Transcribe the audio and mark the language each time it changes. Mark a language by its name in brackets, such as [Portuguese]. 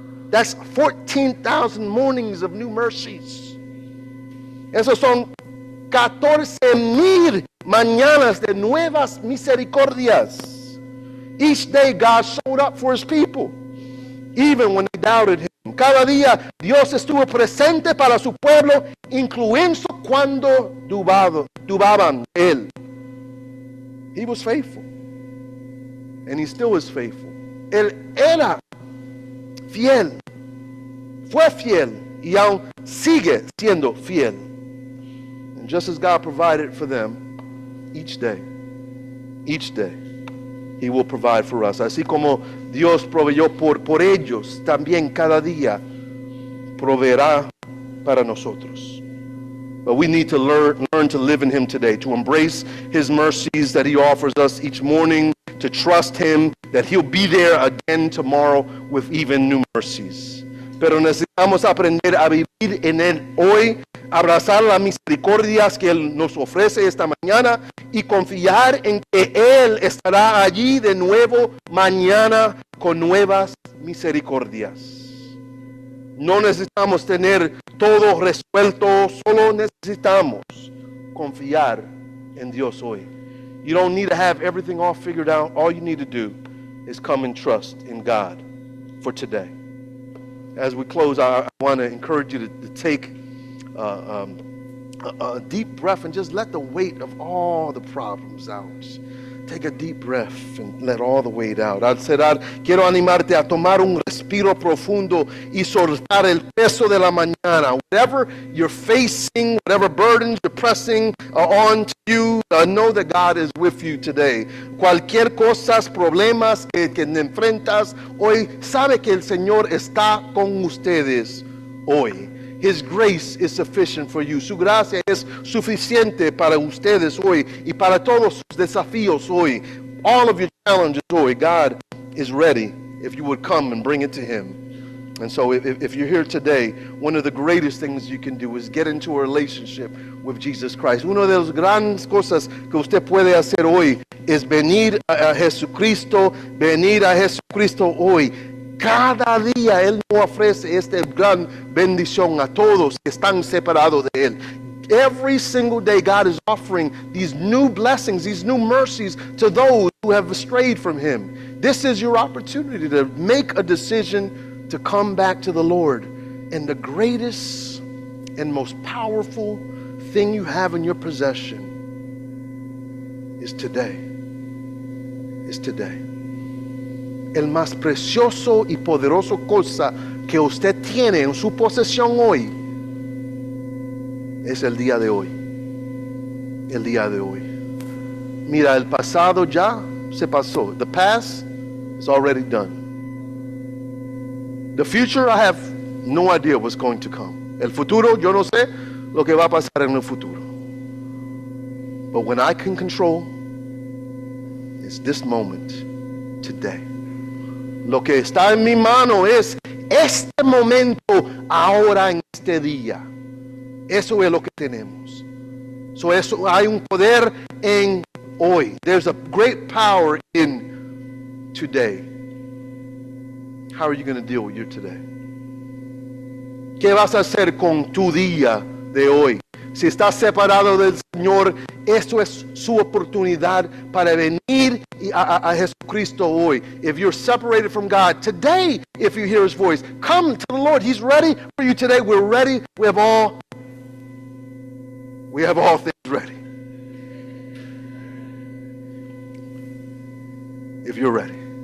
[English] That's 14,000 mornings of new mercies. [Spanish] Esos son 14,000 mañanas de nuevas misericordias. [English] Each day God showed up for His people, even when they doubted Him. [Spanish] Cada día Dios estuvo presente para su pueblo, incluso cuando dudaban de Él. [English] He was faithful, and He still is faithful. [Spanish] Él era fiel. Fue fiel y aún sigue siendo fiel. [English] And just as God provided for them each day, He will provide for us. [Spanish] Así como Dios proveyó por ellos, también cada día proveerá para nosotros. [English] But we need to learn to live in Him today, to embrace His mercies that He offers us each morning, to trust Him that He'll be there again tomorrow with even new mercies. [Spanish] Pero necesitamos aprender a vivir en Él hoy, abrazar las misericordias que Él nos ofrece esta mañana y confiar en que Él estará allí de nuevo mañana con nuevas misericordias. No necesitamos tener todo resuelto, solo necesitamos confiar en Dios hoy. [English] You don't need to have everything all figured out. All you need to do is come and trust in God for today. As we close, I want to encourage you to take a deep breath and just let the weight of all the problems out. Take a deep breath and let all the weight out. [Spanish] Al cerrar, quiero animarte a tomar un respiro profundo y soltar el peso de la mañana. [English] Whatever you're facing, whatever burdens you're pressing on to you, know that God is with you today. [Spanish] Cualquier cosa, problemas que enfrentas hoy, sabe que el Señor está con ustedes hoy. [English] His grace is sufficient for you. [Spanish] Su gracia es suficiente para ustedes hoy y para todos sus desafíos hoy. [English] All of your challenges hoy, God is ready if you would come and bring it to Him. And so if you're here today, one of the greatest things you can do is get into a relationship with Jesus Christ. [Spanish] Una de las grandes cosas que usted puede hacer hoy es venir a Jesucristo hoy. Cada día Él nos ofrece esta gran bendición a todos que están separados de Él. [English] Every single day God is offering these new blessings, these new mercies to those who have strayed from Him. This is your opportunity to make a decision to come back to the Lord. And the greatest and most powerful thing you have in your possession is today. Is today. [Spanish] El más precioso y poderoso cosa que usted tiene en su posesión hoy es el día de hoy. El día de hoy. Mira, el pasado ya se pasó. [English] The past is already done. The future, I have no idea what's going to come. [Spanish] El futuro, yo no sé lo que va a pasar en el futuro. [English] But when I can control, it's this moment, today. [Spanish] Lo que está en mi mano es este momento, ahora en este día. Eso es lo que tenemos. So eso, hay un poder en hoy. [English] There's a great power in today. How are you going to deal with your today? [Spanish] ¿Qué vas a hacer con tu día de hoy? Si estás separado del Señor, eso es su oportunidad para venir a Jesucristo hoy. [English] If you're separated from God, today, if you hear His voice, come to the Lord. He's ready for you today. We're ready. We have all things ready. If you're ready.